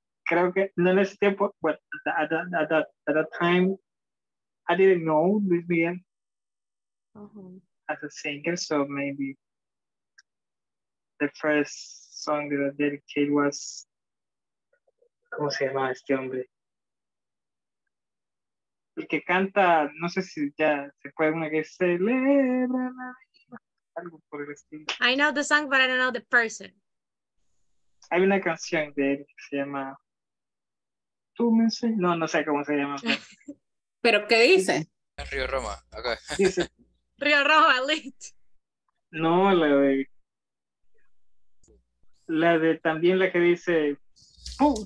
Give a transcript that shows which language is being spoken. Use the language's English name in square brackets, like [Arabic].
[Spanish] Creo que no es tiempo, [English] but at that time, I didn't know Luis Miguel as a singer, so maybe the first song that I dedicated was, [Spanish] ¿cómo se llama este hombre? El que canta, no sé si ya se puede una que celebra la vida, algo por el estilo. [English] I know the song, but I don't know the person. [Spanish] Hay una canción de él que se llama Tú me enseñas. No, no sé cómo se llama. ¿Pero qué dice? Río Roma, acá. Dice. Río Roma, lit. No, la de también la que dice, ¡pum!